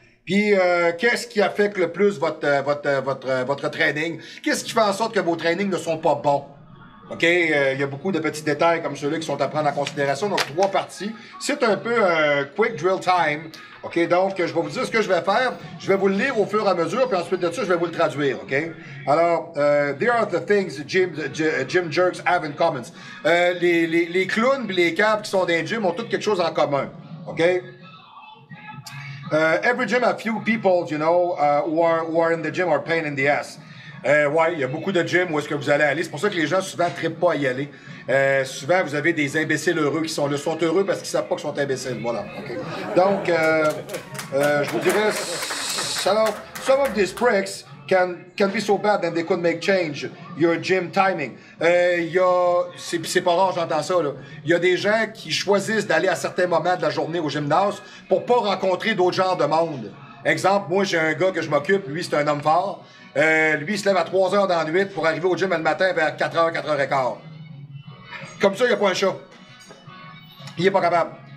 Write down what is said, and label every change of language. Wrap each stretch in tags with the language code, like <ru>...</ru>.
<fr>Puis, qu'est-ce qui affecte le plus votre training? Qu'est-ce qui fait en sorte que vos trainings ne sont pas bons? OK, il y a beaucoup de petits détails comme ceux-là qui sont à prendre en considération. Donc, trois parties. C'est un peu un</fr> <en>quick drill time.</en> <fr>OK, donc, je vais vous dire ce que je vais faire. Je vais vous le lire au fur et à mesure, puis ensuite de ça, je vais vous le traduire, OK?</fr> <en>Alors, there are the things gym jerks have in common.</en> <fr>Les clowns et les caves qui sont dans les gyms ont toutes quelque chose en commun, OK?</fr> <en>Every gym have few people, you know, who are in the gym are pain in the ass.</en> <fr>Ouais, il y a beaucoup de gyms où est-ce que vous allez aller. C'est pour ça que les gens souvent ne trippent pas à y aller. Souvent, vous avez des imbéciles heureux qui sont là. Ils sont heureux parce qu'ils savent pas qu'ils sont imbéciles. Voilà. Okay. Donc, je vous dirais, alors,</fr> <en>some of these pricks can be so bad that they could make change your gym timing.</en> <fr>C'est pas rare, j'entends ça, là. Il y a des gens qui choisissent d'aller à certains moments de la journée au gymnase pour pas rencontrer d'autres genres de monde. Exemple, moi, j'ai un gars que je m'occupe. Lui, c'est un homme fort. Lui, il se lève à 3h dans la nuit pour arriver au gym le matin vers 4h, 4h et quart. Comme ça, il n'y a pas un chat. Il n'est pas capable.</fr>